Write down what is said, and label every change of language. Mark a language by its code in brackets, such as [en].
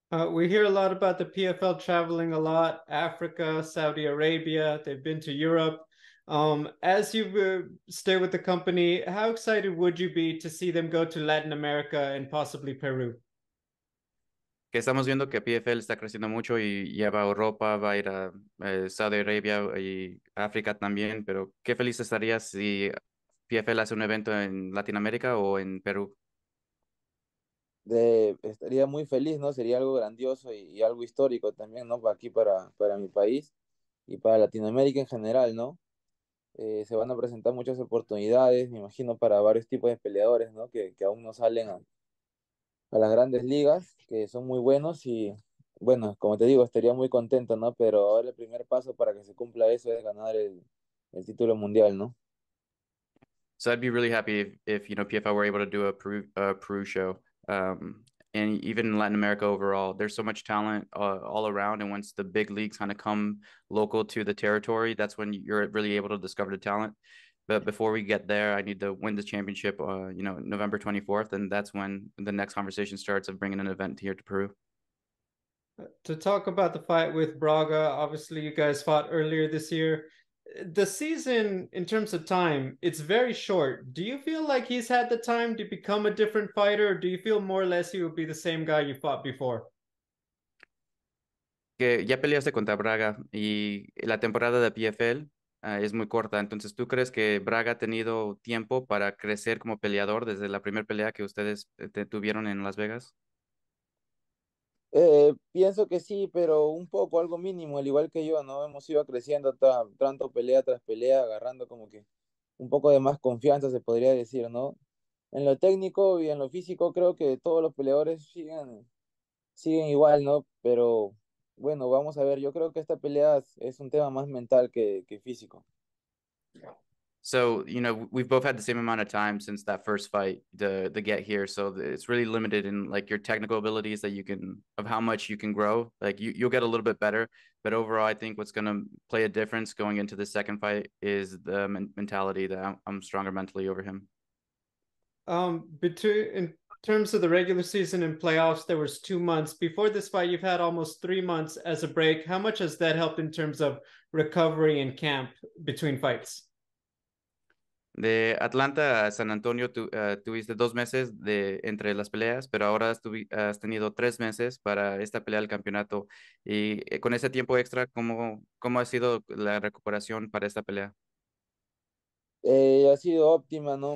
[en] We hear a lot about the PFL traveling a lot, Africa, Saudi Arabia, they've been to Europe. As you stay with the company, how excited would you be to see them go to Latin America and possibly Peru? [es] Que estamos viendo que PFL está creciendo mucho y lleva a Europa, va a ir a Saudi Arabia y África también, pero qué feliz estarías si PFL hace un evento en Latinoamérica o en Perú. Estaría muy feliz, ¿no? Sería algo grandioso y algo histórico también, ¿no? Aquí para mi país y para Latinoamérica en general, ¿no? Se van a presentar muchas oportunidades, me imagino, para varios tipos de peleadores, ¿no? Que aún no salen a las grandes ligas, que son muy buenos y, bueno, como te digo, estaría muy contento, ¿no? Pero ahora el primer paso para que se cumpla eso es ganar el título mundial, ¿no? [en] So I'd be really happy if you know PFL were able to do a Peru show, and even Latin America overall. There's so much talent all around, and once the big leagues kind of come local to the territory, that's when you're really able to discover the talent. But before we get there, I need to win this championship, you know, November 24th, and that's when the next conversation starts of bringing an event here to Peru. To talk about the fight with Braga, obviously you guys fought earlier this year. The season, in terms of time, it's very short. Do you feel like he's had the time to become a different fighter, or do you feel more or less he would be the same guy you fought before? [es] Que ya peleaste contra Braga y la temporada de PFL es muy corta. Entonces, ¿tú crees que Braga ha tenido tiempo para crecer como peleador desde la primera pelea que ustedes te tuvieron en Las Vegas? Pienso que sí, pero un poco, algo mínimo, al igual que yo, ¿no? Hemos ido creciendo tanto pelea tras pelea, agarrando como que un poco de más confianza, se podría decir, ¿no? En lo técnico y en lo físico, creo que todos los peleadores siguen igual, ¿no? Pero bueno, vamos a ver, yo creo que esta pelea es un tema más mental que físico. [en] So, you know, we've both had the same amount of time since that first fight to get here. So it's really limited in like your technical abilities that you can of how much you can grow. Like you'll get a little bit better, but overall, I think what's gonna play a difference going into the second fight is the mentality that I'm stronger mentally over him. Between in terms of the regular season and playoffs, there was 2 months. Before this fight, you've had almost 3 months as a break. How much has that helped in terms of recovery and camp between fights? [es] De Atlanta a San Antonio tuviste 2 meses de entre las peleas, pero ahora has tenido 3 meses para esta pelea del campeonato. Y con ese tiempo extra, ¿cómo ha sido la recuperación para esta pelea? Ha sido óptima, ¿no?